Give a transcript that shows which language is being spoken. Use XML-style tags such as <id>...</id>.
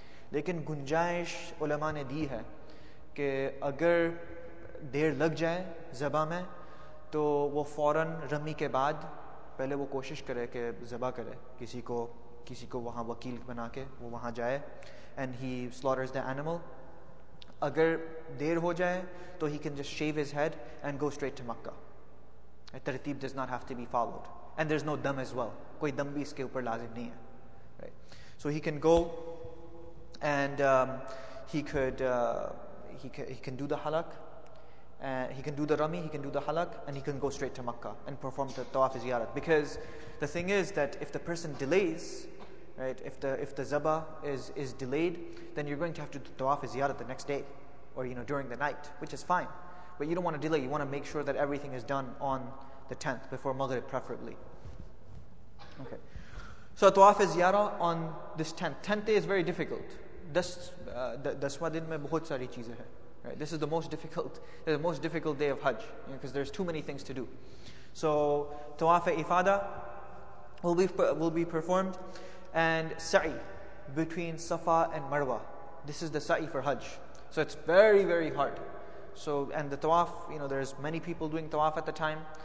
<ur>لیکن گنجائش علماء نے دی ہے کہ اگر دیر لگ جائے ذبح میں تو وہ فوراً رمی کے بعد پہلے وہ کوشش کرے کہ ذبح کرے، کسی کو وہاں وکیل بنا کے وہ وہاں جائے</ur> <en>and he slaughters the animal.</en> <ur>Agar der ho jaye to</ur> <en>he can just shave his head and go straight to Makkah. A tartib does not have to be followed, and there's no dam as well,</en> <ur>کوئی دم بھی اسکے اوپر لازم نہیں ہے،</ur> <en>right? So he can go and he can do the halak, he can do the rami, he can do the halak, and he can go straight to Makkah and perform the tawaf ziyarat. Because the thing is that if the person delays, right, if the zaba is delayed, then you're going to have to do tawaf ziyarat the next day, or you know during the night, which is fine, but you don't want to delay. You want to make sure that everything is done on the 10th before Maghrib, preferably. Okay, so tawaf ziyarat on this 10th day is very difficult.</en> <ur>دسویں دن میں بہت ساری چیزیں ہے۔</ur> <en>Right, this is the most difficult day of Hajj, because you know, there's too many things to do. So tawaf ifada will be performed, and sa'i between Safa and Marwa. This is the sa'i for Hajj. So it's very, very hard. So, and the tawaf, you know, there's many people doing tawaf at the time.</en>